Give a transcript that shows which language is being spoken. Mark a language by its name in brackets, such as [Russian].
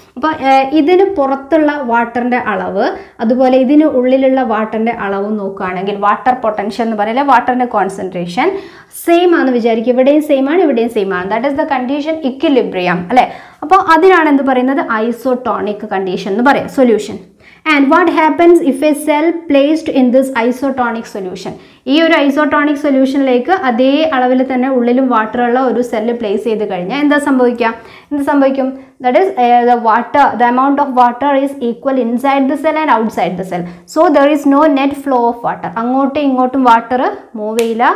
[Malayalam] അപ്പോൾ ഇതിന് പുറത്തുള്ള വാട്ടറിൻ്റെ അളവ് അതുപോലെ ഇതിന് ഉള്ളിലുള്ള വാട്ടറിൻ്റെ അളവ് നോക്കുകയാണെങ്കിൽ വാട്ടർ പൊട്ടൻഷ്യൽ എന്ന് പറയുന്നത് വാട്ടറിൻ്റെ കോൺസെൻട്രേഷൻ സെയിം ആണെന്ന് വിചാരിക്കും. ഇവിടെയും സെയിം ആണ്, ഇവിടെയും സെയിം ആണ്. [English] that is the condition [Malayalam] equilibrium അല്ലേ. അപ്പോൾ അതിനാണ് എന്ത് പറയുന്നത്, ഐസോടോണിക് കണ്ടീഷൻ എന്ന് പറയാം solution. [English] And what happens if a cell placed in this isotonic solution? [Malayalam] ഈ ഒരു ഐസോടോണിക് സൊല്യൂഷനിലേക്ക് അതേ അളവിൽ തന്നെ ഉള്ളിലും വാട്ടറുള്ള ഒരു സെല്ല് പ്ലേസ് ചെയ്ത് കഴിഞ്ഞാൽ എന്താ സംഭവിക്കുക? എന്ത് സംഭവിക്കും? [English] That is the water, the amount of water is equal inside the cell and outside the cell. So there is no net flow of water, [Malayalam] അങ്ങോട്ടും ഇങ്ങോട്ടും വാട്ടർ മൂവ് ചെയ്യില്ല.